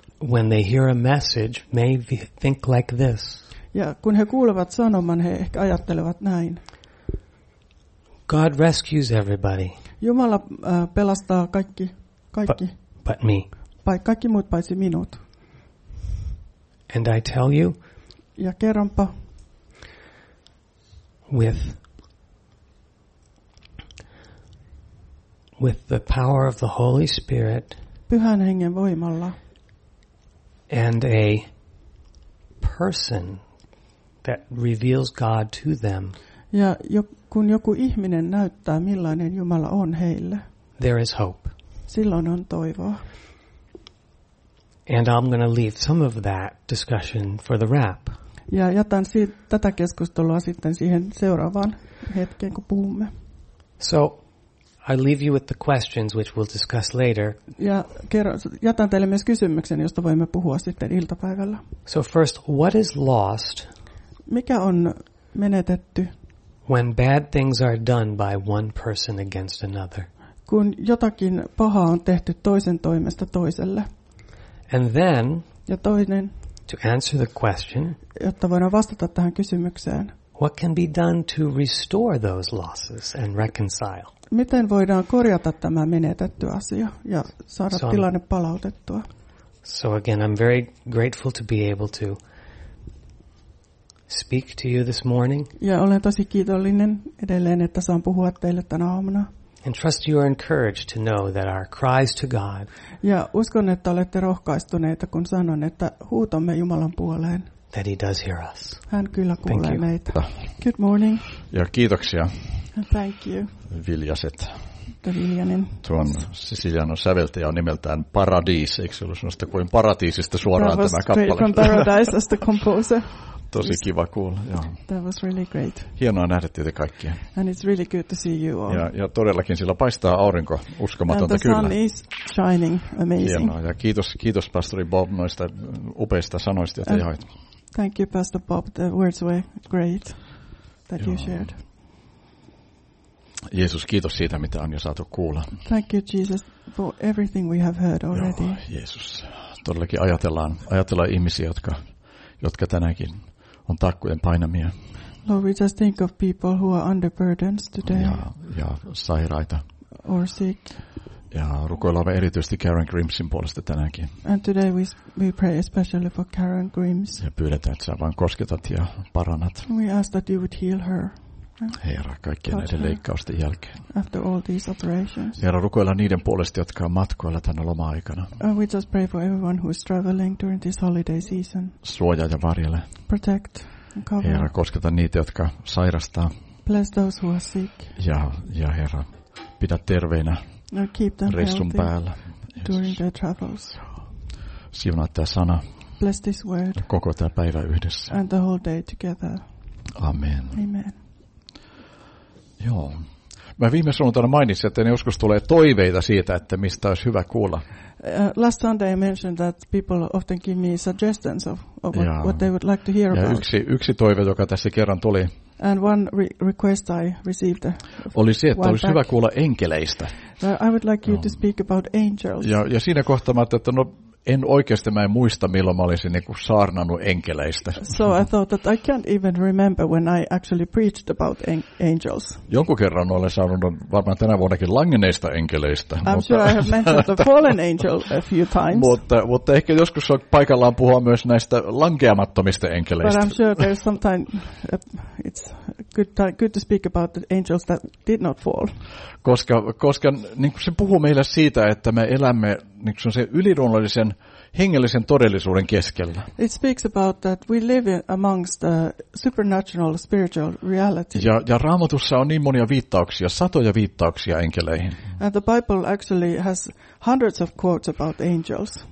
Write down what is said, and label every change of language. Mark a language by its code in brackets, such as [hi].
[en] When they hear a message, may think like this. [fi] Ja kun he kuulevat sanoman, he ehkä ajattelevat näin. [en] God rescues everybody. [fi] Jumala pelastaa kaikki. [en] But me. [fi] Kaikki muut paitsi minut. [en] And I tell you. [fi] Ja kerronpa. [en] With the power of the Holy Spirit. [fi] Pyhän Hengen voimalla. [en] And a person that reveals God to them. [fi] Ja kun joku ihminen näyttää, millainen Jumala on heille. [en] There is hope. [fi] Silloin on toivoa. [en] And I'm going to leave some of that discussion for the wrap. [fi] Ja jätän tätä keskustelua sitten siihen seuraavaan hetkeen, kun puhumme. [en] So, I leave you with the questions, which we'll discuss later. [fi] Ja jätän teille myös kysymyksen, josta voimme puhua sitten iltapäivällä. [en] So first, what is lost? [fi] Mikä on menetetty? [en] When bad things are done by one person against another. [fi] Kun jotakin pahaa on tehty toisen toimesta toiselle. [en] And then, [fi] ja toinen, [en] to answer the question, [fi] jotta voidaan vastata tähän kysymykseen, [en] what can be done to restore those losses and reconcile? [fi] Miten voidaan korjata tämä menetetty asia ja saada tilanne palautettua? [en] So again, I'm very grateful to be able to speak to you this morning. [fi] Ja olen tosi kiitollinen edelleen, että saan puhua teille tänä aamuna. [en] And trust you are encouraged to know that our cries to God. [fi] Ja uskon, että olette rohkaistuneita, kun sanon, että huutamme Jumalan puoleen. [en] That he does hear us. [fi] Hän kyllä kuulee meitä. [en] Good morning. [fi] Ja kiitoksia. [en] And thank you. [fi] Viljaset. Viljanen. Tuon sisilianon säveltäjä on nimeltään Paradis. Eikö se ollut sellaista kuin paratiisista suoraan tämä kappale? [en] That was straight from Paradise as the composer. [fi] Tosi kiva kuulla. Joo. [en] That was really great. [fi] Hienoa nähdä teitä kaikkia. [en] And it's really good to see you all. [fi] Ja todellakin sillä paistaa aurinko, uskomatonta kyllä. [en] And the sun is shining, amazing. [fi] Hienoa. Ja kiitos pastori Bob noista upeista sanoista, joita jaoit. [en] Thank you, Pastor Bob. The words were great that you shared. [fi] Jeesus, kiitos siitä, mitä on jo saatu kuulla. [en] Thank you, Jesus, for everything we have heard already. [fi] Joo, Jeesus. Todellakin ajatellaan ihmisiä, jotka tänäänkin on takkujen painamia. [en] Lord, we just think of people who are under burdens today. [fi] Ja sairaita. [en] Or sick. [fi] Ja rukoillaan erityisesti Karen Grimsin puolesta tänäänkin. [en] And today we pray especially for Karen Grims. [fi] Ja pyydetään, että sä vaan kosketat ja parannat. [en] We ask that you would heal her. [fi] Herra, kaikkien näiden leikkausten jälkeen. [en] After all these operations. [fi] Herra, rukoillaan niiden puolesta, jotka on matkoilla tänä loma-aikana. [en] We just pray for everyone who is traveling during this holiday season. [fi] Suojaa ja varjele. [en] Protect and cover. [fi] Herra, kosketa niitä, jotka sairastaa. [en] Bless those who are sick. [fi] Ja Herra, pidä terveinä reissun päällä. [en] During their travels. [fi] Siunaa tämä sana. [en] Bless this word. [fi] Koko tämä päivä yhdessä. [en] And the whole day together. [fi] Amen. [en] Amen. [fi] Joo. Mä viime sunnuntaina mainitsin, että ne joskus tulee toiveita siitä, että mistä olisi hyvä kuulla. [en] Last Sunday I mentioned that people often give me suggestions of what they would like to hear [fi] ja [en] about. [fi] Ja yksi toive, joka tässä kerran tuli. [en] And one request I received. [fi] Oli se, että olisi hyvä kuulla enkeleistä. [en] I would like you to speak about angels. [fi] Ja siinä kohtaa mä ajattelin, että no en oikeasti mä en muista milloin mä olisin niinku saarnannut enkeleistä. [en] So I thought that I can't even remember when I actually preached about angels. [fi] Jonkun kerran olen saanut varmaan tänä vuonnakin langenneista enkeleistä. [en] I'm mutta, sure I have mentioned the fallen angel a few times. [fi] Mutta ehkä joskus on paikallaan puhua myös näistä lankeamattomista enkeleistä. [en] But I'm sure there's sometime it's good to speak about the angels that did not fall. [fi] Koska niin kuin se puhuu meille siitä, että me elämme niin kuin se yliluonnollisen hengellisen todellisuuden keskellä. [en] It speaks about that we live amongst the supernatural spiritual reality. [fi] Ja Raamatussa on niin monia viittauksia, satoja viittauksia enkeleihin. [en] And the Bible actually has hundreds of quotes about angels.